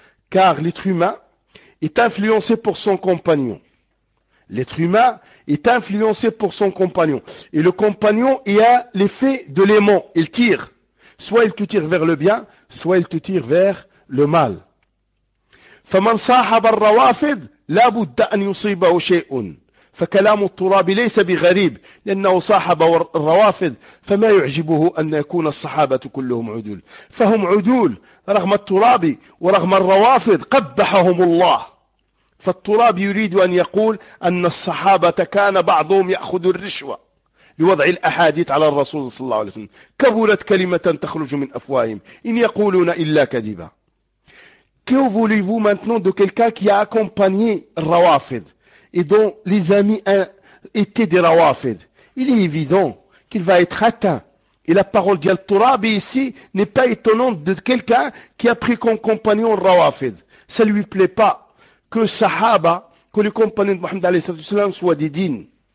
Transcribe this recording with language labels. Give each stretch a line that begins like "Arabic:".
French: Car l'être humain est influencé pour son compagnon. L'être humain est influencé pour son compagnon. Et le compagnon, il a l'effet de l'aimant. Il tire. Soit il te tire vers le bien, soit il te tire vers le mal.
Arabic: فَمَنْ صَاحَبَ الرَّوَافِدَ لَابُدَّ أَنْ يُصِيبَهُ شَيْءٌ فكلام التراب ليس بغريب لأنه صاحب الروافد فما يعجبه أن يكون الصحابة كلهم عدول فهم عدول رغم التراب ورغم الروافد قبحهم الله فالتراب يريد أن يقول أن الصحابة كان بعضهم يأخذ الرشوة لوضع الأحاديث على الرسول صلى الله عليه وسلم كبرت كلمة تخرج من أفواههم إن يقولون إلا كذبا
French: Que voulez-vous maintenant de quelqu'un qui a accompagné Rawafid? Et dont les amis étaient des Rawafid. Il est évident qu'il va être atteint. Et la parole d'Al-Turabi ici n'est pas étonnante de quelqu'un qui a pris comme compagnon Rawafid. Ça ne lui plaît pas que Sahaba, que les compagnons de Mohammed a.s. soient des dignes.